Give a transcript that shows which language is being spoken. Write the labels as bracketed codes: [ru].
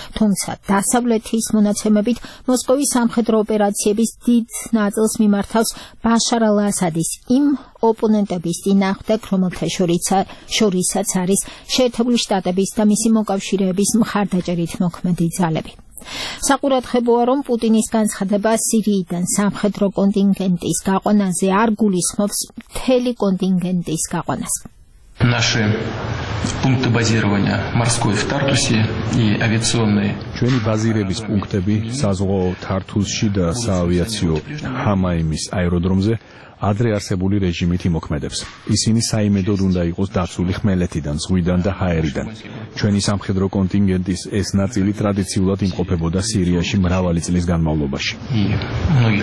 [ka] თუმცა დასავლეთის მონაცემებით მოსკოვის სამხედრო ოპერაციების დიდ ნაწილს მიმართავს ბაშარ ალ-ასადის იმ ოპონენტების წინააღმდეგ, რომელთა შორისაც არის შეერთებული შტატების და მისი მოკავშირეების მხარდაჭერით მოქმედი ძალები. საყურადღებოა, რომ პუტინის განცხადება სირიიდან სამხედრო კონტინგენტის გაყვანაზე არ გულისხმობს მთელი კონტინგენტის გაყვანას. [ru] Наши пункты базирования морской в Тартусе и авиационные [ka] ჩვენი ბაზირების პუნქტები საზღვაო თართუსში და საავიაციო ჰამაიმის აეროდრომზე ადრე არსებული რეჟიმით იმოქმედებს. ისინი საიმედოდ უნდა იყოს დაცული ხმელეთიდან, ზღვიდან და ჰაერიდან. ჩვენი სამხედრო კონტინგენტის ეს ნაწილი ტრადიციულად იმყოფებოდა სირიაში მრავალი წლის განმავლობაში.